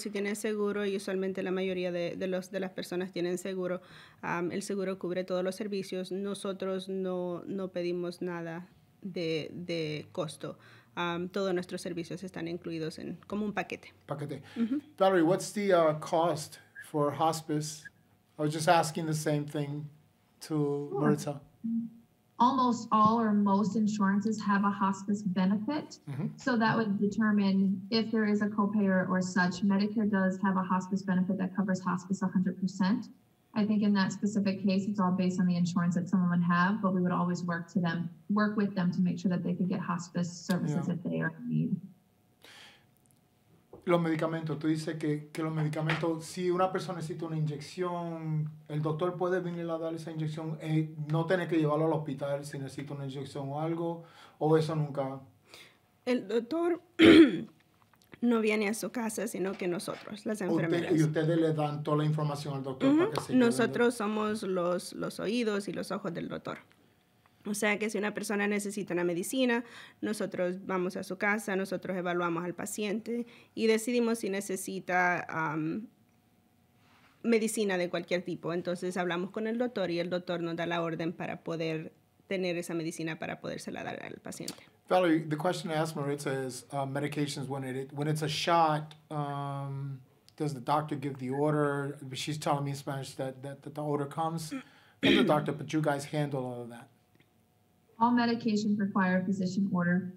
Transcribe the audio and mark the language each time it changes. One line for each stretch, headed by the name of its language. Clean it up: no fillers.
Spanish: Sí, si tiene seguro, y usualmente la mayoría de las personas tienen seguro, el seguro cubre todos los servicios. Nosotros no pedimos nada de costo. todos nuestros servicios están incluidos en como un paquete.
English: Paquete. Mm-hmm. Valerie, what's the cost for hospice? I was just asking the same thing to Maritza. Almost all or most insurances have a hospice benefit. Mm-hmm. So that would determine if there is a copayer or such. Medicare does have a hospice benefit that covers hospice 100%. I think in that specific case, it's all based on the insurance that someone would have, but we would always work with them to make sure that they could get hospice services if they are in need.
Spanish: Los medicamentos, tú dices que los medicamentos, si una persona necesita una inyección, el doctor puede venir a dar esa inyección y no tener que llevarlo al hospital si necesita una inyección o algo, o eso nunca. El doctor no viene a su casa, sino que nosotros, las enfermeras. Y ustedes le dan toda la información al doctor para que se lleve. Nosotros somos los oídos y los ojos del doctor. O sea que si una persona necesita una medicina, nosotros vamos a su casa, nosotros evaluamos al paciente y decidimos si necesita medicina de cualquier tipo. Entonces hablamos con el doctor y el doctor nos da la orden para poder tener esa medicina para podérsela dar al paciente.
English: Valerie, the question I asked Maritza is medications when it's a shot, does the doctor give the order? She's telling me in Spanish that the order comes from the doctor, but you guys handle all of that. All medications require a physician order,